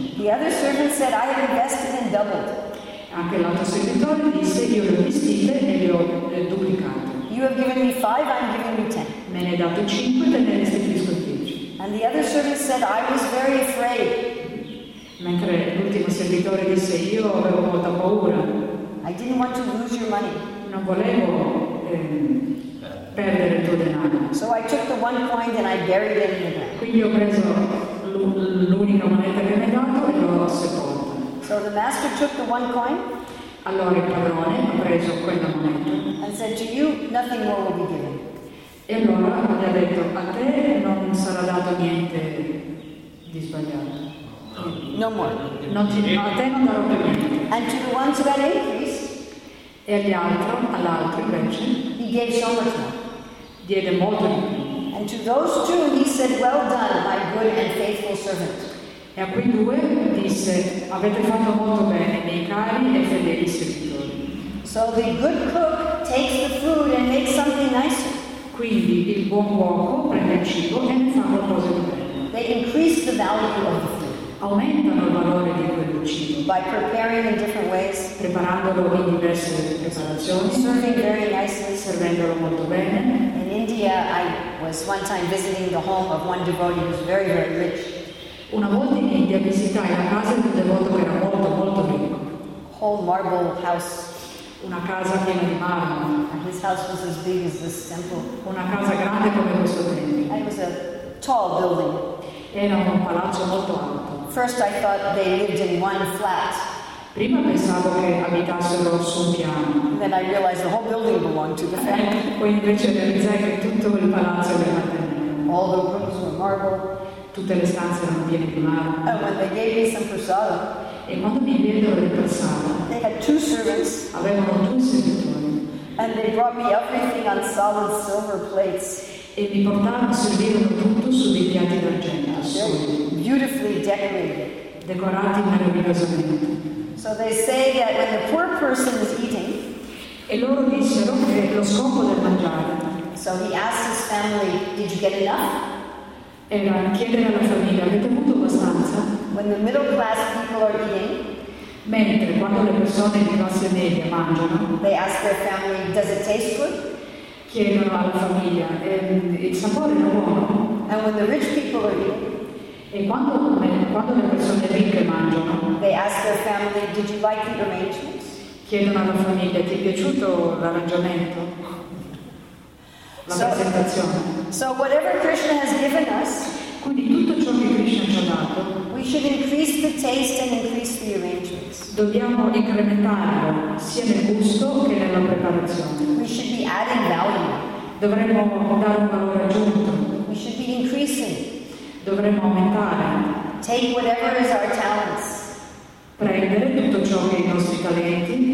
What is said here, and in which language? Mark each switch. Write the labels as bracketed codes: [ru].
[en] The other servant said, I have invested and doubled. [it] Anche l'altro servitore disse, io le ho investite e le ho duplicate. [en] You have given me 5, I am giving you 10. [it] Me ne dato 5, te ne restituisco 10. [en] And the other servant said, I was very afraid. [it] Mentre l'ultimo servitore disse, io avevo molta paura. [en] I didn't want to lose your money. [it] Non volevo perdere il tuo denaro. [en] So I took the one coin and I buried it in the ground. [it] Quindi ho preso l'unica moneta che mi hai dato e l'ho sepolta. [en] So the master took the one coin. [it] Allora il padrone ha preso quella moneta. [en] And said to you, nothing more will be given. [it] E allora gli ha detto, a te non sarà dato niente di sbagliato. [en] No more. [it] Non ti, a te non darò più niente. [en] And to the ones that ate, please. [it] E agli altri, all'altro invece. [en] He gave so much more. [it] Diede molto di più. [en] And to those two he said, well done, my good and faithful servant. [it] E a quei due disse, avete fatto molto bene, miei cari e fedeli servitori. [en] So the good cook takes the food and makes something nicer. [it] Quindi il buon cuoco prende il cibo e ne fa qualcosa di bene. [en] They increase the value of the food. [it] Aumentano il valore di quel cibo. [en] By preparing in different ways. [it] Preparandolo in diverse preparazioni. [en] Serving very nicely. [it] Servendolo molto bene. [en] In India, I was one time visiting the home of one devotee who was very, very rich. [it] Una volta in India visitai la casa di un devoto che era molto, molto ricco. [en] Whole marble house. [it] Una casa piena di marmo. [en] And his house was as big as this temple. [it] Una casa grande come questo tempio. [en] And it was a tall building. [it] Era un palazzo molto alto. [en] First I thought they lived in one flat. [it] Prima pensavo che abitassero su un piano. [en] Then I realized the whole building belonged to the family. [it] Poi invece realizzai che tutto il palazzo appartenne. [en] All the rooms were marble. [it] Tutte le stanze erano piene di marmo. [en] And when they gave me some prasada. [it] E quando mi diedero il prasada. [en] They had two servants. [it] Avevano due servitori. [en] And they brought me everything on solid silver plates. [it] E mi portarono a servire tutto su dei piatti d'argento. [en] Beautifully decorated. [it] Decorati meravigliosamente. [en] So they say that when the poor person is eating, [it] e loro dissero che lo scopo del mangiare. [en] So he asked his family, did you get enough? [it] Era chiedere alla famiglia, avete avuto abbastanza? [en] When the middle class people are eating, [it] mentre quando le persone di classe media mangiano, [en] they ask their family, does it taste good? [it] Chiedono alla famiglia, il sapore è buono? [en] And when the rich people are eating, [it] e quando le persone ricche mangiano, [en] they ask their family, did you like the arrangements? [it] Chiedono alla famiglia, ti è piaciuto l'arrangiamento? La presentazione. [en] So whatever Krishna has given us, [it] quindi tutto ciò che Krishna ci ha dato, [en] we should increase the taste and increase the arrangements. [it] Dobbiamo incrementarlo sia nel gusto che nella preparazione. [en] We should be adding value. [it] Dovremmo dare un valore aggiunto. [en] We should be increasing. [it] Dovremmo aumentare. [en] Take whatever is our talents. [it] Prendere tutto ciò che i nostri talenti.